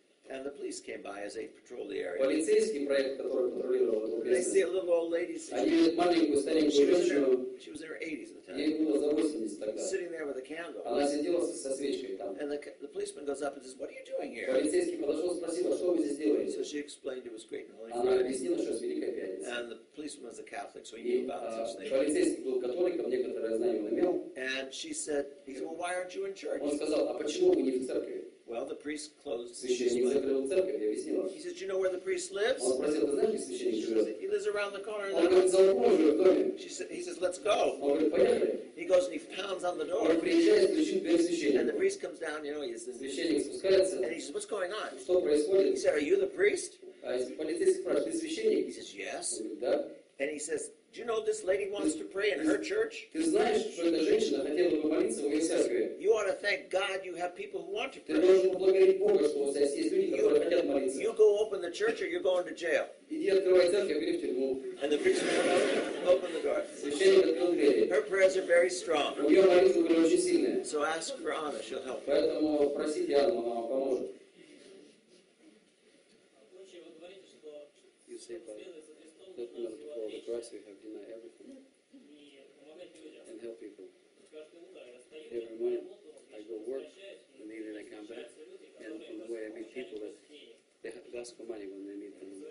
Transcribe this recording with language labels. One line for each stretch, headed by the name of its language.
English: And the police came by as they patrolled the area.
Russian: Полицейский проект, который патрулировал эту местность.
English: They see a little old lady.
Russian: Они видят маленькую старенькую женщину.
English: She was in her 80s at the time.
Russian: Ей было за 80 тогда.
English: Sitting there with a candle.
Russian: Она сидела со свечкой там.
English: And the policeman goes up and says, "What are you doing here?"
Russian: Полицейский подошел и спросил, "Что вы здесь делаете?"
English: So she explained it was great.
Russian: Она объяснила, что это Великая пятница.
English: And the policeman was a Catholic, so he knew about such things.
Russian: Полицейский был католиком, некоторое знание он имел.
English: And she said, "He said, well, why aren't you in church?"
Russian: Он сказал, "А почему вы не в церкви?"
English: Well, the priest closed.
Russian: Священник
English: He says, "Do you know where the priest lives?"
Russian: Он спросил, "Ты знаешь, где священник живет?"
English: He lives around the corner.
Russian: Он говорит, "За углом живет в доме."
English: She said, "He says, let's go."
Russian: Он говорит, "Поехали."
English: He goes and he pounds on the door.
Russian: Он приезжает, стучит в дверь священника.
English: And the priest comes down. You know, he says,
Russian: священник спускается.
English: And he says, "What's going on?"
Russian: Что происходит?
English: He said, "Are you the priest?"
Russian: А полицейский спрашивает, "Ты священник?"
English: He says, "Yes."
Russian: Он говорит, "Да."
English: And he says, "Do you know this lady wants to pray in her church?"
Russian: Ты знаешь, что эта женщина хотела бы молиться в ее церкви?
English: You ought to thank God you have people who want to pray.
Russian: Ты должен благодарить Бога, что у вас есть люди, которые хотят молиться.
English: You go open the church or you're going to jail.
Russian: Иди открывай церковь, иди в тюрьму.
English: And the priest opened the door.
Russian: Священник открыл двери.
English: Her prayers are very strong.
Russian: У нее молитвы были очень сильные.
English: So ask for Anna, she'll help.
Russian: Поэтому просите Анну, она вам поможет.
English: You say that. The Christ, we have denied everything and help people. Every morning I go work, and then I come back, and from the way I meet people, that they ask for money when they meet them.